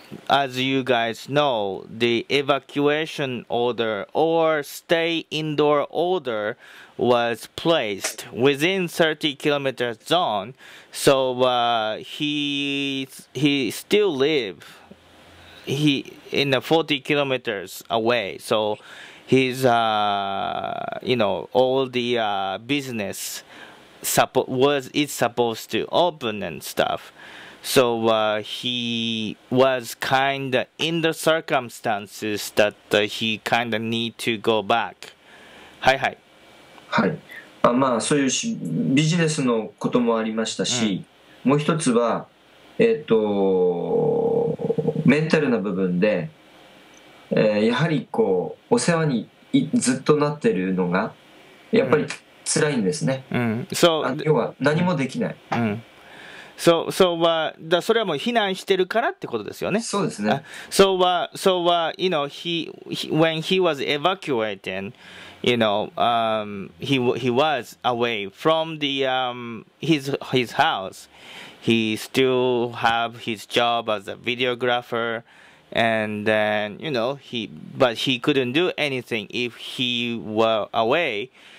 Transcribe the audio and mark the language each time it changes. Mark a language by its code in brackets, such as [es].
[en] as you guys know the evacuation order or stay indoor order was placed within 30 kilometers zone so he still liveHe in the 40 kilometers away, so his all the business is supposed to open and stuff. So he was kind of in the circumstances that he kind of need to go back. [ja] はいはい。はい。まあそういうビジネスのこともありましたし、もう一つはメンタルな部分で、やはりこうお世話にずっとなってるのがやっぱり辛いんですね。うん、そう。要は何もできない。うん、そう、そうは、だそれはもう避難してるからってことですよね。そうですね。そうは、 [en] you know, when he was evacuating, you know, he was away from the his house. He still have his job as a videographer, and then you know he, but he couldn't do anything if he were away.